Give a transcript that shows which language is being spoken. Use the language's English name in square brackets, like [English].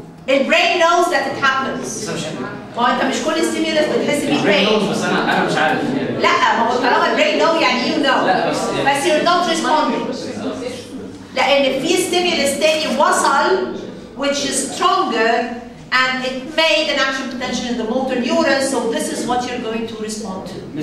[English] The brain knows that it happens. [Arabic] ما انت مش كل الستيمولس بتحس بيه brain. بس انا مش عارف لا ما هو طالما brain know يعني [English] you know. بس you're not responding. [Arabic] لان في ستيمولس تاني وصل [English] which is stronger and it made an action potential in the motor neurons so this is what you're going to respond to.